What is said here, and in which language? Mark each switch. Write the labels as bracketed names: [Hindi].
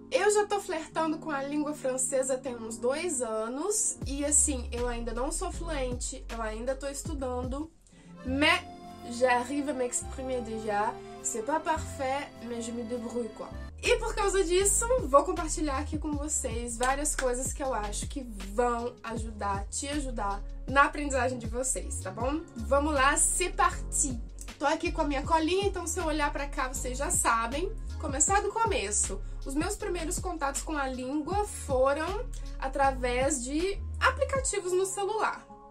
[Portuguese] Eu já tô flertando com a língua francesa tem uns 2 anos e assim, eu ainda não sou fluente, eu ainda tô estudando. [French] Mais j'arrive à m'exprimer déjà, c'est pas parfait, mais je me débrouille quoi. [Portuguese] E por causa disso, vou compartilhar aqui com vocês várias coisas que eu acho que vão ajudar, te ajudar na aprendizagem de vocês, tá bom? Vamos lá, [French] c'est parti! [Portuguese] Tô aqui com a minha colinha, então se eu olhar pra cá, vocês já sabem. Começar do começo. Os meus primeiros contatos com a língua foram através de aplicativos no celular.